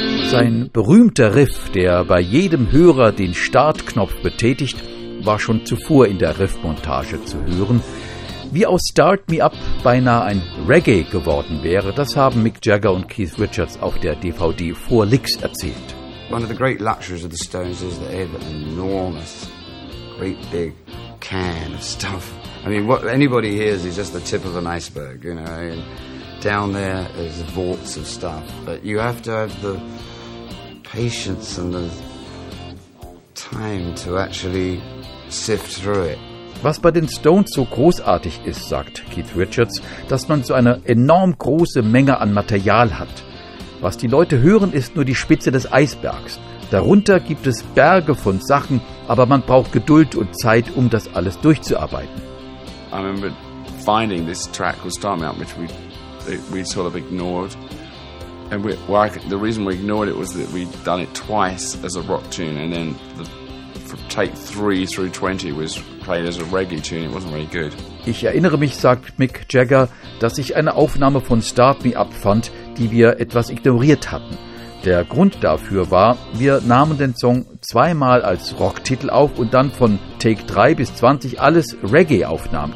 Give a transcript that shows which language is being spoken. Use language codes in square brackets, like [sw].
[de] Sein berühmter Riff, der bei jedem Hörer den Startknopf betätigt, war schon zuvor in der Riffmontage zu hören. Wie aus Start Me Up beinahe ein Reggae geworden wäre, das haben Mick Jagger und Keith Richards auf der DVD Four Licks erzählt. [en] One of the great luxuries of the Stones is that they have an enormous, great big can of stuff. I mean, what anybody hears is just the tip of an iceberg, you know. And down there is vaults of stuff. But you have to have the patience and the time to actually sift through it. [de] Was bei den Stones so großartig ist, sagt Keith Richards, dass man so eine enorm große Menge an Material hat. Was die Leute hören, ist nur die Spitze des Eisbergs. Darunter gibt es Berge von Sachen, aber man braucht Geduld und Zeit, um das alles durchzuarbeiten. [en] I remember finding this track called Start Me Up, which we sort of ignored. And the reason we ignored it was that we'd done it twice as a rock tune and then Take 3 through 20 was played as a reggae tune. It wasn't really good. [de] Ich erinnere mich, sagt Mick Jagger, dass ich eine Aufnahme von Start Me Up fand, die wir etwas ignoriert hatten. Der Grund dafür war, wir nahmen den Song zweimal als Rocktitel auf und dann von Take 3 bis 20 alles Reggae aufnahmen.